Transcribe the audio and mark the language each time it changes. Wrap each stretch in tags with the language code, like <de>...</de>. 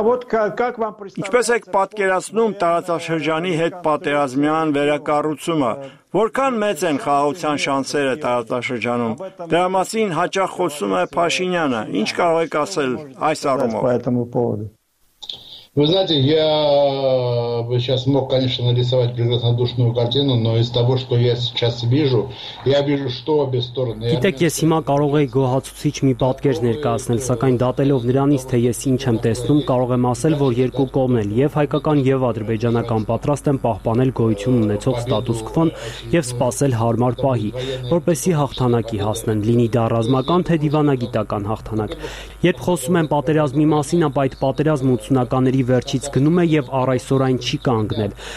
<hy>Ինչպես եք պատկերացնում տարածաշրջանի հետ պատերազմյան վերակառուցումը, որքան մեծ են խաղաղության շանսերը տարածաշրջանում, դրա մասին հաճախ խոսում է Փաշինյանը, ինչ կարող եք ասել այս առումով?</hy> <ru>Вы знаете, я бы сейчас мог, конечно, нарисовать прекраснодушную картину, но из того, что я сейчас вижу, я вижу, что обе стороны...</ru> <hy>Գիտեք, ես հիմա կարող եի գոհացուցիչ մի պատկեր ներկայացնել, սակայն դատելով նրանից, թե ես ինչ եմ տեսնում, կարող եմ ասել, որ երկու կողմն էլ, եւ հայկական, եւ ադրբեջանական, պատրաստ են պահպանել գոյություն ունեցող ստատուս քվոն եւ սպասել հարմար պահի, որպեսզի հաղթանակի հասնեն, լինի դա ռազմական, թե դիվանագիտական հաղթանակ։ Երբ խոսում եմ պատերազմի մասին, ապա այդ պատերազմը 80-ականների վերջից գնում է եւ առ այսօրայն չի կանգնել։</hy>